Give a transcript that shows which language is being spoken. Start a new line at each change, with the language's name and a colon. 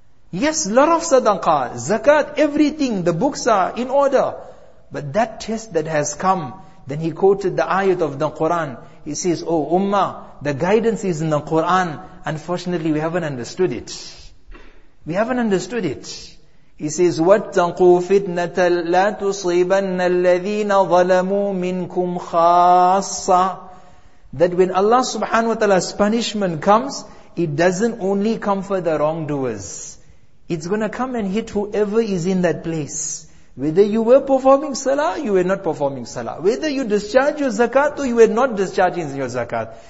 English: Yes, lot of sadaqah, zakat, everything, the books are in order. But that test that has come, then he quoted the ayat of the Quran. He says, oh ummah, the guidance is in the Quran. Unfortunately, we haven't understood it. We haven't understood it. He says,
Arabic: وَاتَّقُوا فِتْنَةَ لَا تُصِيبَنَّ الَّذِينَ ظَلَمُوا مِنْكُمْ خَاصَّةً.
English: That when Allah subhanahu wa ta'ala's punishment comes, it doesn't only come for the wrongdoers. It's gonna come and hit whoever is in that place. Whether you were performing salah, you were not performing salah. Whether you discharge your zakat or you were not discharging your zakat.